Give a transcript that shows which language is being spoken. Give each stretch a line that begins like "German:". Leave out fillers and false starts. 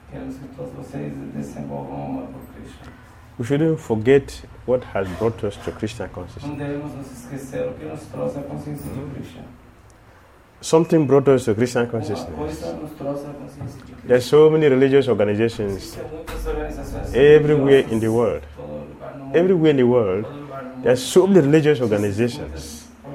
Portuguese: Queremos que todos vocês desenvolvam amor por Krishna.
English: We shouldn't forget what has brought us to Krishna consciousness.
Portuguese: Não devemos nos esquecer o que nos trouxe à consciência de Krishna.
English: Something brought us to Krishna consciousness. There are so many religious organizations everywhere in the world. Everywhere in the world, there are so many religious organizations.